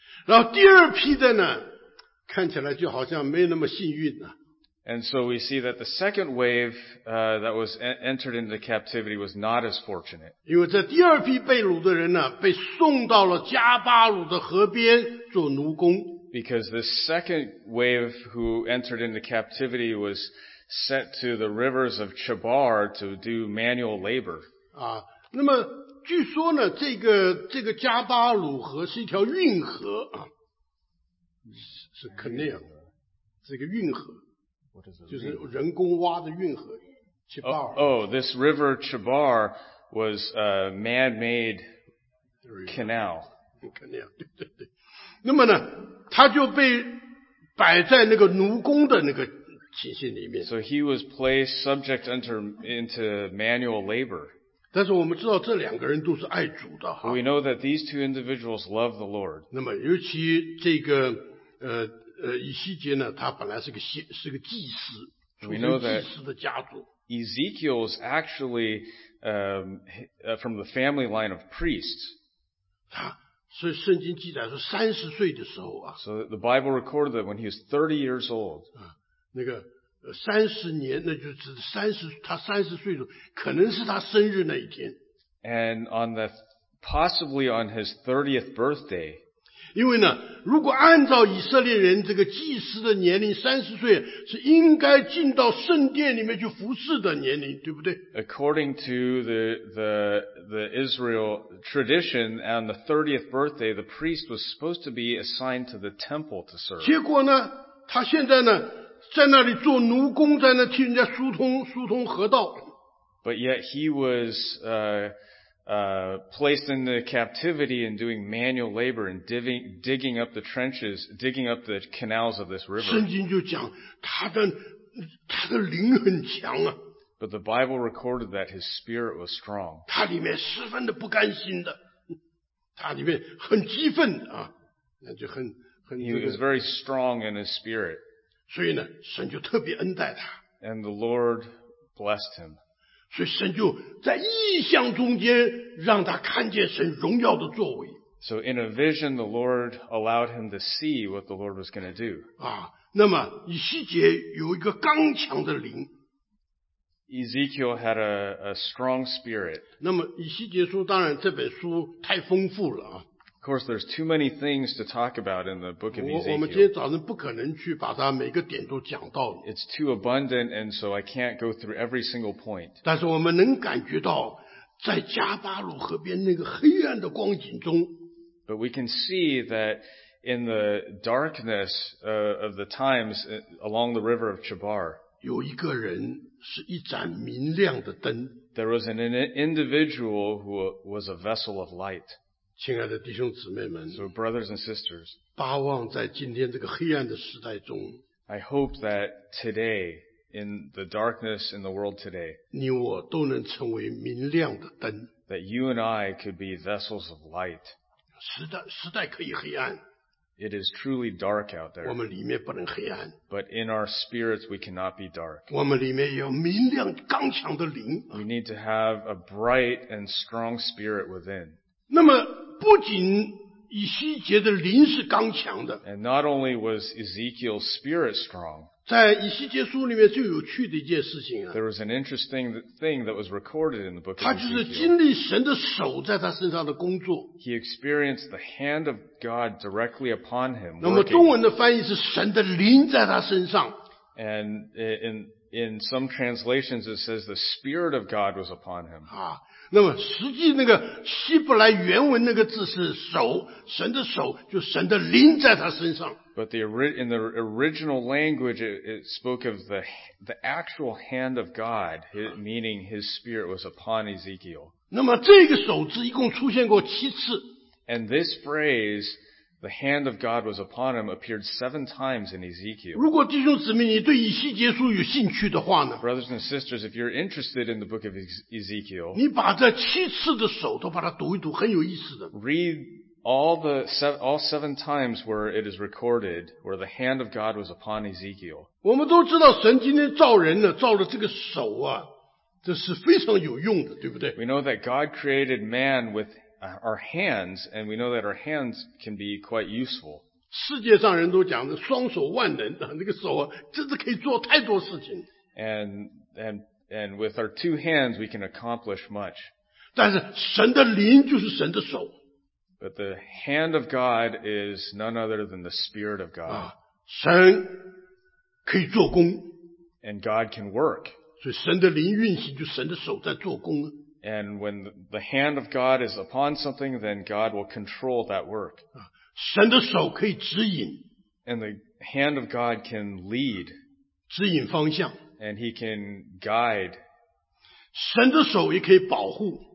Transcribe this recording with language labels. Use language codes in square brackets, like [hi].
[zh] 然后第二批的呢，看起来就好像没那么幸运了。 [en] And so we see that the second wave, that was entered into captivity was not as fortunate. [zh] 因为这第二批被掳的人呢，被送到了加巴鲁的河边做奴工。 [en] Because the second wave who entered into captivity was sent to the rivers of Chebar to do manual labor. [zh] 啊，那么据说呢，这个加巴鲁河是一条运河啊，是 canal， 这个运河。就是人工挖的运河 Chebar. [en] Oh, this river Chebar was a man-made canal. [zh] Canal, 对对对。那么呢，他就被摆在那个奴工的那个情形里面。 [en] So he was placed subject into manual labor. [zh] 但是我们知道这两个人都是爱主的。 [en] We know that these two individuals love the Lord. [zh] 那么尤其这个以西结呢，他本来是个祭司，出身祭司的家族。 [en] Ezekiel is actually, from the family line of priests. [zh] 所以圣经记载说三十岁的时候啊。 [en] So the Bible recorded that when he was 30 years old. [zh] 那个三十年，那就是他三十岁的时候，可能是他生日那一天。 [en] And on the possibly on his 30th birthday. [zh] 因为呢，如果按照以色列人这个祭司的年龄，三十岁是应该进到圣殿里面去服侍的年龄，对不对 [en] ？According to the Israel tradition, on the 30th birthday, the priest was supposed to be assigned to the temple to serve. [zh] 结果呢，他现在呢，在那里做奴工，在那替人家疏通河道。 [en] But yet he was placed in the captivity and doing manual labor and digging up the trenches, digging up the canals of this river. [zh] 圣经就讲, 他的灵很强啊, [en] but the Bible recorded that his spirit was strong. [zh] 他里面十分的不甘心的, 他里面很激愤的啊, 那就很, 很这个, [en] he was very strong in his spirit. [zh] 所以呢, 神就特别恩待他, [en] and the Lord blessed him. [zh] 所以神就在异象中间让他看见神荣耀的作为。 [en] So in a vision, the Lord allowed him to see what the Lord was going to do. [zh] 啊, 那么以西结有一个刚强的灵。 [en] Ezekiel had a strong spirit. [zh] 那么以西结书当然这本书太丰富了啊。 [en] Of course, there's too many things to talk about in the book of Ezekiel. [zh] 我们今天早上不可能去把它每个点都讲到。 [en] It's too abundant, and so I can't go through every single point. [zh] 但是我们能感觉到在加巴鲁河边那个黑暗的光景中, [en] but we can see that in the darkness of the times along the river of Chebar, [zh] 有一个人是一盏明亮的灯。 [en] There was an individual who was a vessel of light. [zh] 亲爱的弟兄姊妹们, [en] so brothers and sisters, [zh] 巴望在今天这个黑暗的时代中, [en] I hope that today, in the darkness in the world today, [zh] 你我都能成为明亮的灯, [en] that you and I could be vessels of light. [zh] 时代可以黑暗, [en] it is truly dark out there. [zh] 我们里面不能黑暗, [en] but in our spirits, we cannot be dark. [zh] 我们里面有明亮刚强的灵, [en] we need to have a bright and strong spirit within. [zh] 那么不仅以西结的灵是刚强的, [en] and not only was Ezekiel's spirit strong, [zh] 在以西结书里面最有趣的一件事情啊, [en] there was an interesting thing that was recorded in the book of Ezekiel. [zh] 他就是经历神的手在他身上的工作, [en] he experienced the hand of God directly upon him. [zh] 那么中文的翻译是神的灵在他身上, [en] and in some translations it says the spirit of God was upon him. [zh] 啊, 那么实际那个希伯来原文那个字是手，神的手，就神的灵在他身上。 [en] But in the original language, it spoke of the actual hand of God, meaning His Spirit was upon Ezekiel. [zh] 那么这个手指一共出现过七次。 [en] And this phrase, the hand of God was upon him, appeared seven times in Ezekiel. [zh] 如果弟兄姊妹你对以西结书有兴趣的话呢, [en] brothers and sisters, if you're interested in the book of Ezekiel, [zh] 你把这七次的手都把它读一读,很有意思的。 [en] Read all seven times where it is recorded, where the hand of God was upon Ezekiel. [zh] 我们都知道神今天造人呢,造了这个手啊, 这是非常有用的,对不对? [en] We know that God created man with our hands, and we know that our hands can be quite useful. [zh] 世界上人都讲的双手万能,那个手啊,真的可以做太多事情。 [en] And with our two hands, we can accomplish much. [zh] 但是神的灵就是神的手。 [en] But the hand of God is none other than the Spirit of God. [zh] 啊, 神可以做工。 [en] And God can work. [zh] 所以神的灵运行就神的手在做工。 [en] And when the hand of God is upon something, then God will control that work. [zh] 神的手可以指引, [en] and the hand of God can lead. [zh] 指引方向, [en] and he can guide. [zh] 神的手也可以保护,